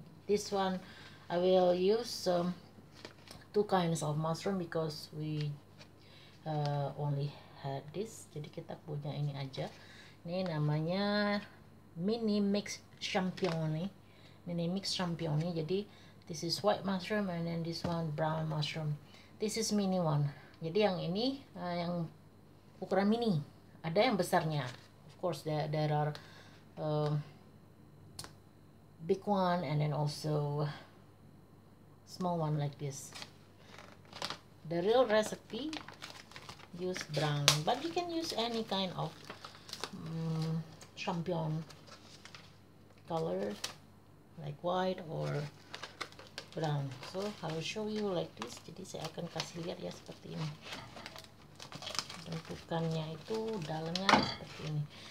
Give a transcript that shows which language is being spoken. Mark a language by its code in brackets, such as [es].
[en] This one, I will use two kinds of mushroom because we only had this. [id] Jadi kita punya ini aja. Ini namanya mini mix champignoni. [en] Mini mix champignoni. Jadi this is white mushroom and then this one brown mushroom. This is mini one. [id] Jadi yang ini yang ukuran mini. Ada yang besarnya. [en] Of course, there are big one and then also small one like this. The real recipe use brown, but you can use any kind of champignon color like white or brown. So I will show you like this. [id] Jadi saya akan kasih lihat ya seperti ini. Bentukannya itu dalamnya seperti ini.